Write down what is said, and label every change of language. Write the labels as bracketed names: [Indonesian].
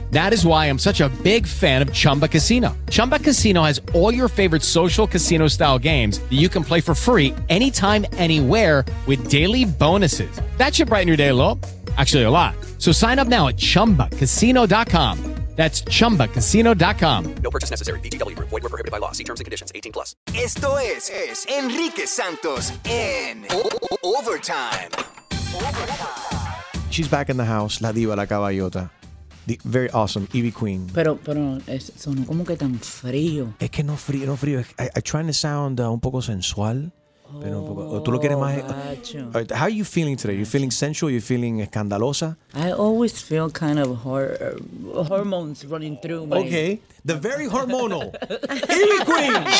[English] That is why I'm such a big fan of Chumba Casino. Chumba Casino has all your favorite social casino style games that you can play for free anytime, anywhere with daily bonuses. That should brighten your day a little. Actually, a lot. So sign up now at chumbacasino.com. That's ChumbaCasino.com. No purchase necessary. VGW. Void where prohibited by law. See terms and conditions. 18 plus. [Spanish] Esto es Enrique Santos en Overtime. [English] She's back in the house. [Spanish] La diva, la caballota. [English] The very awesome Evie Queen. [Spanish] Pero es, sonó como que tan frío. Es que no frío, no frío. [English] I'm trying to sound [Spanish] un poco sensual. Pero un poco, ¿tú lo quieres más? [English] Right, how are you feeling today? You feeling sensual? You feeling escandalosa? I always feel kind of hormones running through my... Okay. The very hormonal. Evie Queen.